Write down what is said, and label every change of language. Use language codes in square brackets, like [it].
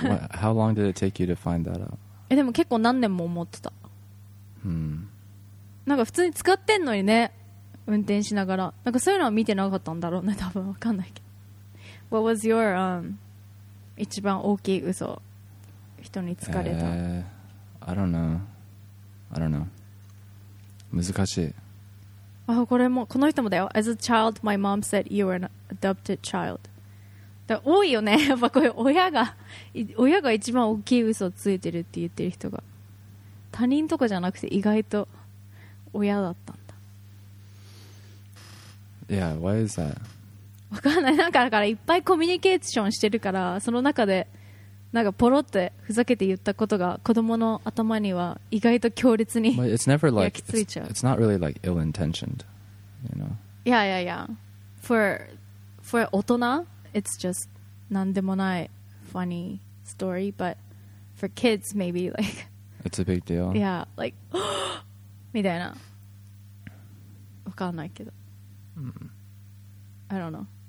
[en] How long did it take you to find that out? [ja] でも結構何年も思ってた。なんか普通に使ってんのにね、運転しながら、なんかそういうのは見てなかったんだろうね、多分わかんないけど。 [en] What was your [ja] 一番大きい嘘、人に疲れた、 [en] I don't know [ja] 難しい。あ、これもこの人もだよ。 [en] As a child my mom said you were an adopted child. [ja] 多いよね。やっぱこれ親が一番大きい嘘をついてるって言ってる人が、他人とかじゃなくて意外と親だったんだ。 [en] Yeah, why is that? [ja] わかんない。なんかだからいっぱいコミュニケーションしてるから、その中でなんかポロってふざけて言ったことが子供の頭には意外と強烈に焼き付いちゃう。 [en] It's not really like ill-intentioned, you know? Yeah, yeah, yeah. For 大人、it's just [ja] なんでもない [en] funny story, but for kids, maybe like... It's a big deal. Yeah, like... [ja] みたいな。わかんないけど。 [en] I don't know.